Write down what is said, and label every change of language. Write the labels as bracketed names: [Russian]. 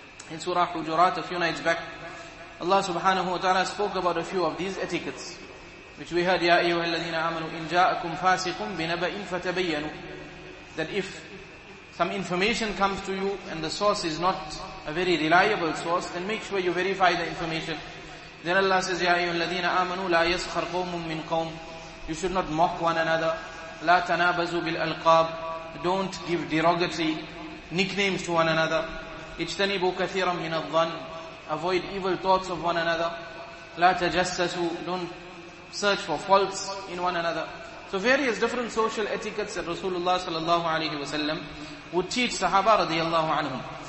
[English] In Surah Hujurat, a few nights back, Allah subhanahu wa ta'ala spoke about a few of these etiquettes, which we heard, [Arabic] يَا أَيُّهَا الَّذِينَ آمَنُوا إِن جَاءَكُمْ فَاسِقٌ بِنَبَئٍ فَتَبَيَّنُوا. [English] That if some information comes to you and the source is not a very reliable source, then make sure you verify the information. Then Allah says, [Arabic] يَا أَيُّهَا الَّذِينَ آمَنُوا لَا يَسْخَرْ قَوْمٌ مِّن قَوْمٍ. [English] You should not mock one another. [Arabic] لَا تَنَابَزُوا بِالْأَلْقَابِ. [English] Don't give derogatory nicknames to one another. [Arabic] اجتنبوا كثيرا من الظن. [English] Avoid evil thoughts of one another. [Arabic] لا تجسسوا. [English] Don't search for faults in one another. So various different social etiquettes that Rasulullah sallallahu alayhi wa sallam would teach Sahaba radiallahu anhum.